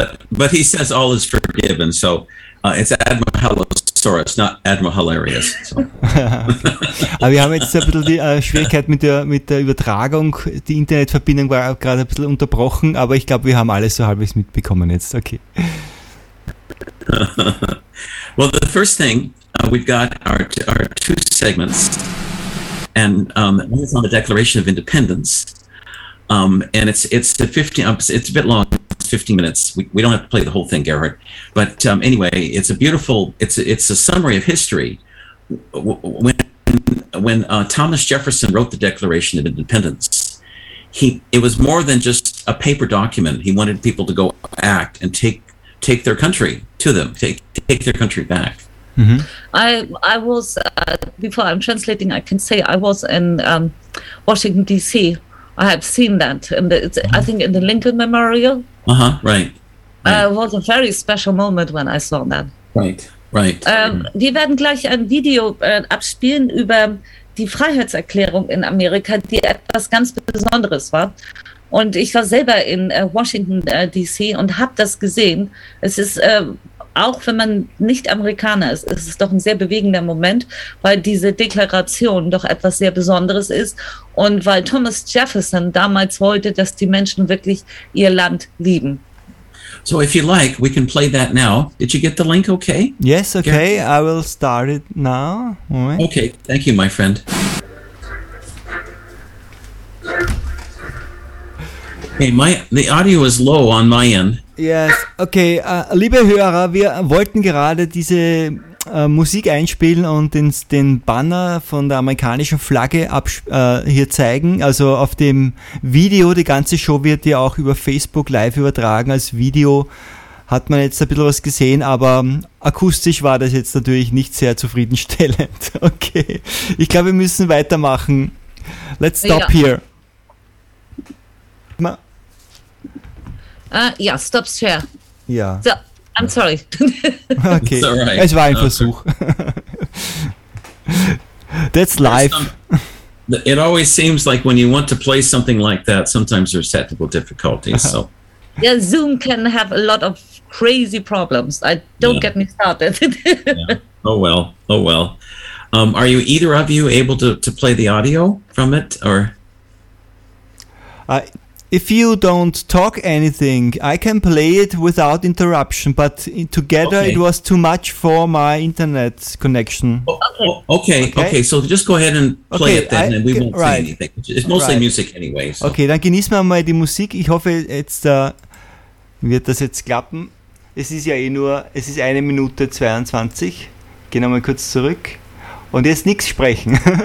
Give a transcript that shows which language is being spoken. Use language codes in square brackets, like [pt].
[en] But he says all is forgiven, so it's Admiral Hallosaurus, not Admiral Hilarious. So. [de] Aber wir haben jetzt ein bisschen die Schwierigkeit mit der Übertragung. Die Internetverbindung war gerade ein bisschen unterbrochen, aber ich glaube, wir haben alles so halbwegs mitbekommen jetzt. [en] Okay. Well, the first thing, we've got our 2 segments, and one is on the Declaration of Independence. And it's a 15 bit long, it's 15 minutes. We don't have to play the whole thing, Gerhard. But anyway, it's a beautiful, it's a summary of history. When Thomas Jefferson wrote the Declaration of Independence, it was more than just a paper document. He wanted people to go act and take their country to them, take their country back. Mm-hmm. I was, before I'm translating, I can say I was in Washington, D.C., I have seen that, I think in the Lincoln Memorial. Uh-huh, right. It was a very special moment when I saw that. Right, right. [de] Wir werden gleich ein Video abspielen über die Freiheitserklärung in Amerika, die etwas ganz Besonderes war. Und ich war selber in Washington, D.C. und habe das gesehen. Es ist, auch wenn man nicht Amerikaner ist, ist es doch ein sehr bewegender Moment, weil diese Deklaration doch etwas sehr Besonderes ist und weil Thomas Jefferson damals wollte, dass die Menschen wirklich ihr Land lieben. [en] So if you like, we can play that now. Did you get the link okay? Yes, okay. Yeah. I will start it now. Right. Okay, thank you, my friend. Hey, the audio is low on my end. Yes, okay. [de] Liebe Hörer, wir wollten gerade diese Musik einspielen und den Banner von der amerikanischen Flagge hier zeigen. Also auf dem Video, die ganze Show wird ja auch über Facebook live übertragen. Als Video hat man jetzt ein bisschen was gesehen, aber akustisch war das jetzt natürlich nicht sehr zufriedenstellend. Okay, ich glaube, wir müssen weitermachen. [en] Let's stop here. Yeah, stop share. Yeah. So, I'm sorry. Okay. It's all right. [de] Es war ein Versuch. [en] That's life. It always seems like when you want to play something like that, sometimes there's technical difficulties. So. Yeah, Zoom can have a lot of crazy problems. I don't get me started. Yeah. Oh well. Are you either of you able to play the audio from it or? If you don't talk anything, I can play it without interruption, but together it was too much for my internet connection. Okay, so just go ahead and play it then, and we won't say anything. It's mostly music anyway. So. [de] Okay, dann genießen wir mal die Musik. Ich hoffe, jetzt wird das jetzt klappen. Es ist 1 Minute 22. Gehen wir mal kurz zurück. Und jetzt nichts sprechen.